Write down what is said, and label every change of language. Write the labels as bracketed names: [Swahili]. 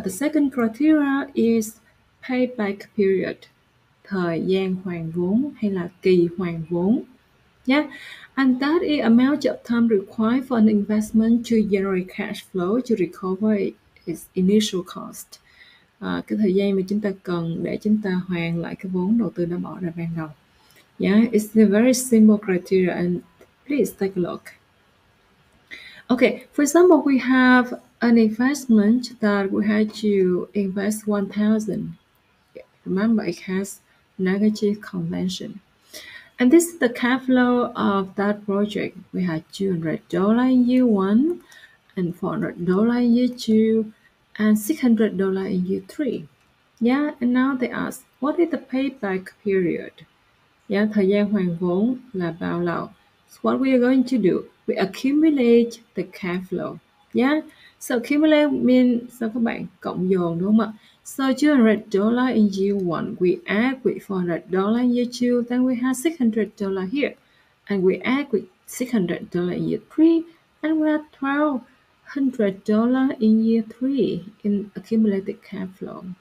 [English] The second criteria is payback period, [Vietnamese] thời gian hoàn vốn hay là kỳ hoàn vốn. [English] Yeah, and that is amount of time required for an investment to generate cash flow to recover its initial cost. [Vietnamese] Cái thời gian mà chúng ta cần để chúng ta hoàn lại cái vốn đầu tư đã bỏ ra ban đầu. [English] Yeah, it's a very simple criteria and please take a look. Okay, for example, we have an investment that we had to invest 1,000. Remember, it has negative convention. And this is the cash flow of that project. We had $200 in year one and $400 in year two and $600 in year three. Yeah, and now they ask, what is the payback period? [Vietnamese] Yeah, thời gian hoàn vốn là bao lâu? [English] So what we are going to do, we accumulate the cash flow. Yeah, so accumulate means, so [Vietnamese] các bạn cộng dồn đúng không ạ? [English] So $200 in year one, we add with $400 in year two, then we have $600 here, and we add with $600 in year three, and we have $1,200 in year three in accumulated cash flow.